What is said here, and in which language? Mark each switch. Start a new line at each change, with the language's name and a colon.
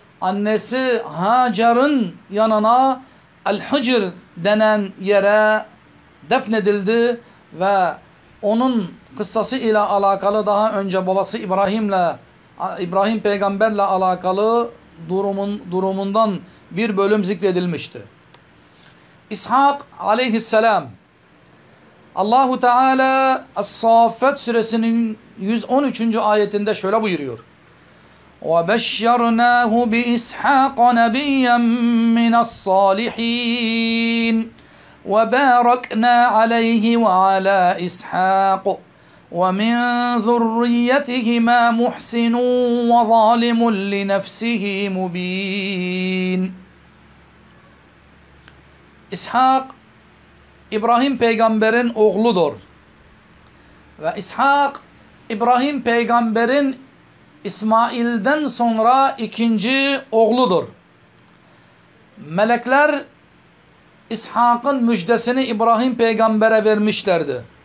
Turkish: Annesi Hacer'in yanına, El-Hicr denen yere defnedildi ve onun kıssası ile alakalı daha önce babası İbrahim peygamberle alakalı durumundan bir bölüm zikredilmişti. İshak aleyhisselam, Allahu Teala As-Saffat suresinin 113. ayetinde şöyle buyuruyor.
Arabic: وَبَشَّرْنَاهُ بِإِسْحَاقَ نَبِيًّا مِنَ الصَّالِحِينَ وَبَارَكْنَا عَلَيْهِ وَعَلَى إِسْحَاقُ وَمِنْ ذُرِّيَّتِهِمَا مُحْسِنٌ وَظَالِمٌ لِنَفْسِهِ مُبِينٌ
Turkish: İshak, İbrahim peygamberin oğludur. Ve İshak, İbrahim peygamberin İsmail'den sonra ikinci oğludur. Melekler İshak'ın müjdesini İbrahim peygambere vermişlerdi.